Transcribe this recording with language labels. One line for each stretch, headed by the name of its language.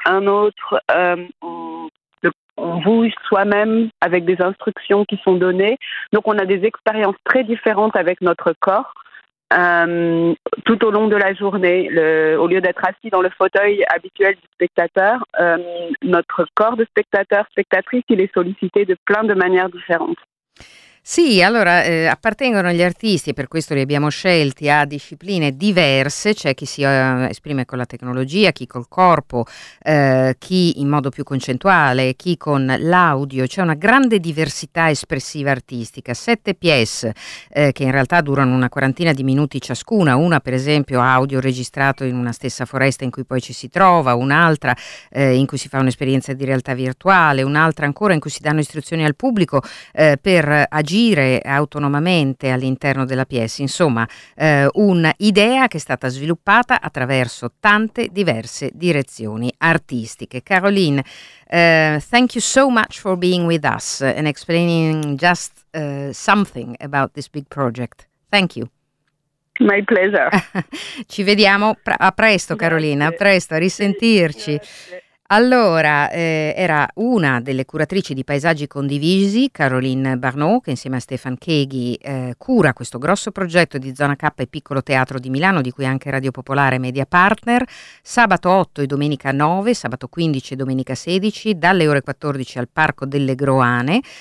French: Un autre, on bouge soi-même avec des instructions qui sont données. Donc on a des expériences très différentes avec notre corps. Tout au long de la journée, au lieu d'être assis dans le fauteuil habituel du spectateur, notre corps de spectateur, spectatrice, il est sollicité de plein de manières différentes.
Italian: Sì, allora appartengono gli artisti, per questo li abbiamo scelti, a discipline diverse, c'è chi si esprime con la tecnologia, chi col corpo, chi in modo più concettuale, chi con l'audio, c'è una grande diversità espressiva artistica, 7 pièce che in realtà durano una quarantina di minuti ciascuna, una per esempio audio registrato in una stessa foresta in cui poi ci si trova, un'altra in cui si fa un'esperienza di realtà virtuale, un'altra ancora in cui si danno istruzioni al pubblico per agire autonomamente all'interno della pièce, insomma, un'idea che è stata sviluppata attraverso tante diverse direzioni artistiche.
English: Caroline, thank you so much for being with us and explaining just something about this big project. Thank you. My pleasure.
Italian: Ci vediamo a presto, Caroline, a presto, a risentirci. Allora, era una delle curatrici di Paesaggi Condivisi, Caroline Barnot, che insieme a Stefan Keghi cura questo grosso progetto di Zona K e Piccolo Teatro di Milano, di cui anche Radio Popolare è media partner, sabato 8 e domenica 9, sabato 15 e domenica 16, dalle ore 14 al Parco delle Groane.